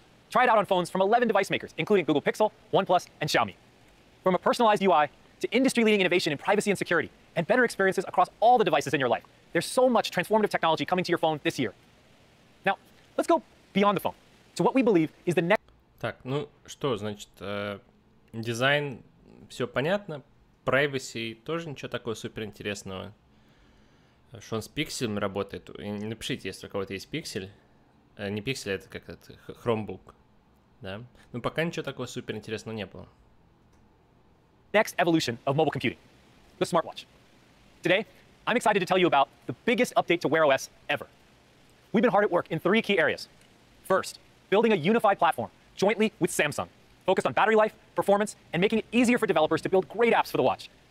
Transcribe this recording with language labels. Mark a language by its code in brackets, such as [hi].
[en] Try it out on phones from 11 device makers, including Google Pixel, OnePlus, and Xiaomi. From a personalized UI to industry-leading innovation in privacy and security, and better experiences across all the devices in your life, there's so much transformative technology coming to your phone this year. Now, let's go beyond the phone to what we believe is the next... [ru] Так, ну что, значит, дизайн, все понятно, privacy тоже ничего такого суперинтересного. Что он с пикселем работает. Напишите, если у кого-то есть пиксель. Не пиксель, а это как этот Chromebook. Да? Ну, пока ничего такого суперинтересного не было. [en] Next evolution of mobile computing. The smartwatch. Today, I'm excited to tell you about the biggest update to Wear OS ever. We've been hard at work in three key areas. First, building a unified platform jointly with Samsung, focused on battery life, performance, and making it easier for developers to build great apps for the watch.